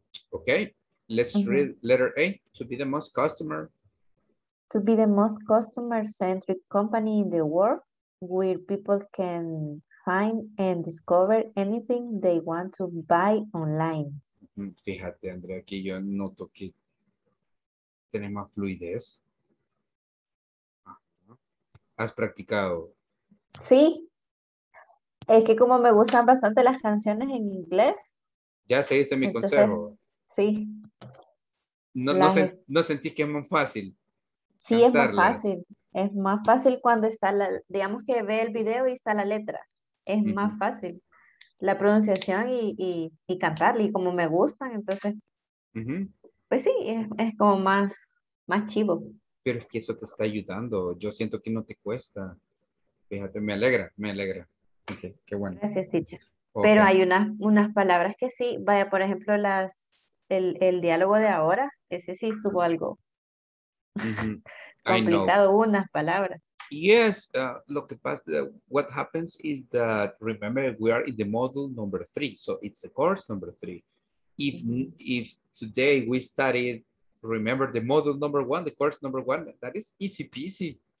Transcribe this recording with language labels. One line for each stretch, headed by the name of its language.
English: Ok, let's read letter A, to be the most customer. To be the most customer-centric company in the world, where people can find and discover anything they want to buy online.
Spanish: Fíjate, Andrea, aquí yo noto que tenés más fluidez. ¿Has practicado? Sí. Es que como me gustan bastante las canciones en inglés. Ya seguiste mi consejo. Sí. ¿No sentís que es más fácil? Sí, cantarla. Es más fácil cuando está la, digamos que ve el video y está la letra. Es más fácil la pronunciación y cantarla. Y como me gustan, entonces, pues sí, es como más chivo. Pero es que eso te está ayudando. Yo siento que no te cuesta. Fíjate, me alegra. Okay, qué bueno. Gracias, teacher. Okay. Pero hay unas palabras que sí. Vaya, por ejemplo, el diálogo de ahora, ese sí estuvo algo. Complicado, unas palabras.
English: Yes,
Spanish: lo que pasa,
English: what happens is that, remember, we are in the module number 3, so it's the course number 3. If today we studied, remember, the module number 1, the course number 1, that is easy peasy.